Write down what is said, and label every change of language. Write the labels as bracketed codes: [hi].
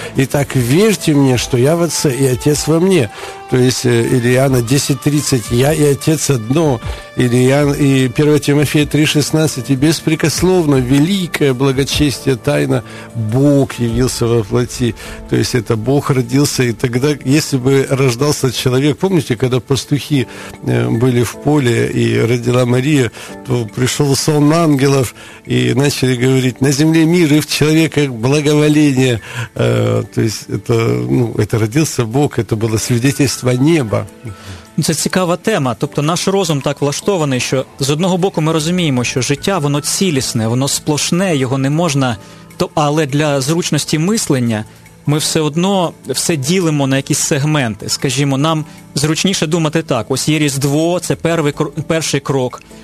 [uk] І так, вірте мені, що я в Отце, і Отець во мені. Тобто, Іоанна 10, 30, я і Отець одно. Іоанна, і 1 Тимофія 3, 16, і безпрекословно, велике благочестя тайна, [ru] Бог явился во плоти. То есть это Бог родился. И тогда, если бы рождался человек, помните, когда пастухи были в поле и родила Мария, то пришел сон ангелов и начали говорить: на земле мир и в человеках благоволение. То есть это, ну, это родился Бог, это было свидетельство неба. [uk] Це цікава тема. Тобто наш розум так влаштований, що з одного боку ми розуміємо, що життя, воно цілісне, воно сплошне, його не можна... Але для зручності мислення ми все одно все ділимо на якісь сегменти. Скажімо, нам зручніше думати так. Ось є Різдво, це перший крок.